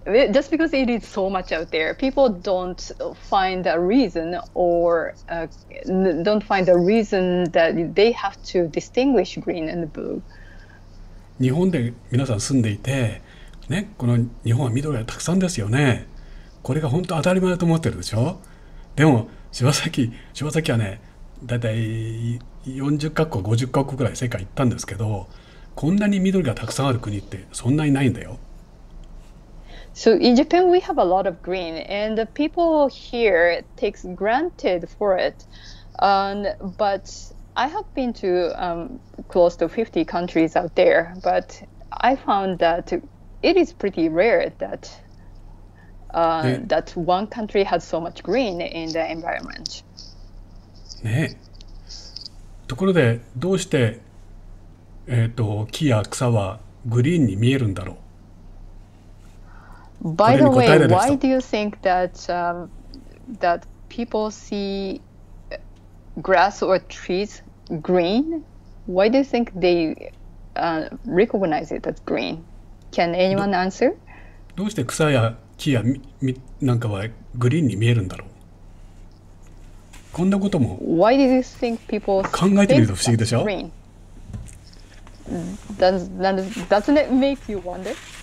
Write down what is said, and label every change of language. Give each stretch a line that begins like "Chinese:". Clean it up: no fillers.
English: Just because it is so much out there, people don't find a reason or don't find a reason that they have to distinguish green and blue.
Japanese: 日本で皆さん住んでいて、ね、この日本は緑がたくさんですよね。これが本当当たり前だと思ってるでしょ。でも柴崎はね、だいたい40カ国、50カ国くらい世界行ったんですけど、こんなに緑がたくさんある国ってそんなにないんだよ。
English: So in Japan we have a lot of green and the people here takes granted for it. But I have been to close to 50 countries out there, but I found that it is pretty rare that that one country has so much green in the environment.
Japanese: ね。ところでどうして木や草はグリーンに見えるんだろう。
English: By the way, why do you think that that people see grass or trees green? Why do you think they recognize it as green? Can anyone answer?
Japanese: どうして草や木やなんかはグリーンに見えるんだろう。こんなことも考えてみると不思議でしょ。
English: Doesn't it make you wonder?